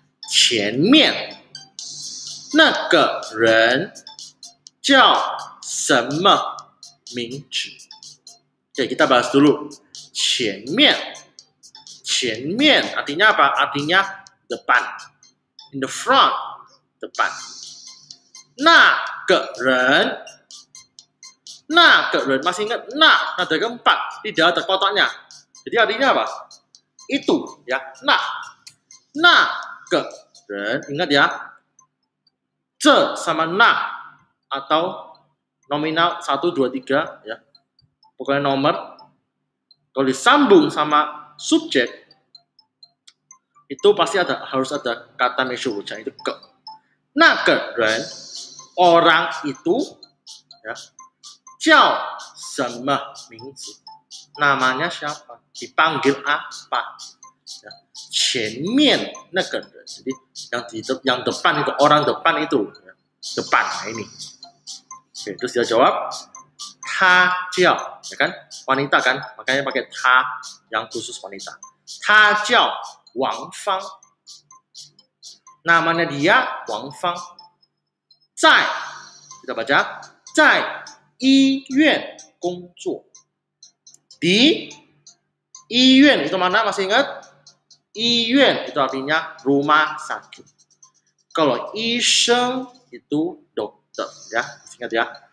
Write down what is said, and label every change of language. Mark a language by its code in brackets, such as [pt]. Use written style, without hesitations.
[zh] 前面那个人叫什么名字? [id] Okay, kita bahas dulu. 前面, 前面 artinya apa? Artinya depan. In the front, depan. 那个人, 那个人, masih ingat, 那, nada keempat, tidak ada kotaknya. Jadi artinya apa? Itu, ya, 那, 那个人, ingat ya, 这 sama 那, atau nominal 1, 2, 3, ya, pokoknya nomor, kalau disambung sama subjek, itu pasti ada, harus ada kata mesyu, itu ke. [zh] 那个人, orang itu, ya, 叫什么名字? [id] Namanya siapa? Dipanggil apa? Ya. 前面那个人, jadi yang di yang depan itu, orang depan itu, ya. Depan ini. Oke, terus dia jawab, 他叫, ya kan? Wanita kan? Makanya pakai 他, yang khusus wanita. [zh] 他叫王芳, namanya dia 王芳. [id] 在, kita baca, 在 医院工作, di 医院, itu mana, masih ingat? 医院, itu artinya rumah sakit. Kalau 医生, itu dokter, ya, masih ingat ya.